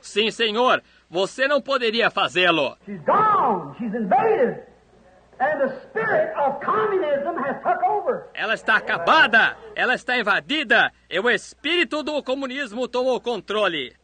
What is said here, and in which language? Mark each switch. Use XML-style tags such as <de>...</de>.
<pt>Sim, senhor, você não poderia fazê-lo.</pt> <en>She's gone. She's invaded. And the spirit of communism has took over.</en> <pt>Ela está acabada, ela está invadida, e o espírito do comunismo tomou controle.</pt>